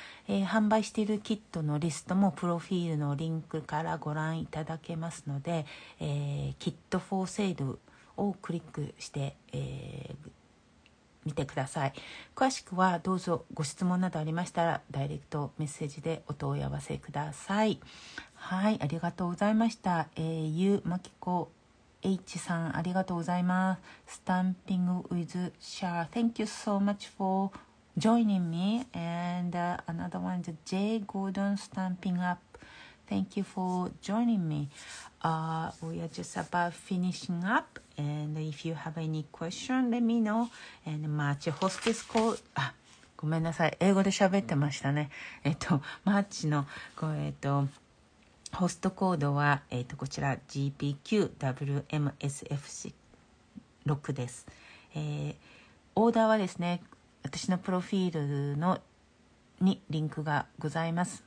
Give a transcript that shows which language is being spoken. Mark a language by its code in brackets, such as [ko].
[ja] 販売しているキットのリストもプロフィールのリンクからご覧いただけますので、キットフォーセールをクリックして、見てください。詳しくはどうぞご質問などありましたらダイレクトメッセージでお問い合わせください。はい、ありがとうございました。ゆうまきこH さん、ありがとうございます。 [en] スタンピングウィズシャー、 Thank you so much for joining me. And、another one is J. Gordon stamping up. Thank you for joining me. We are just about finishing up. And if you have any question, let me know. And March hostess call. [ja] あ、ごめんなさい、英語で喋ってましたね。 March のこう、ホストコードは、こちら GPQWMSF6 です、オーダーはですね、私のプロフィールのにリンクがございます。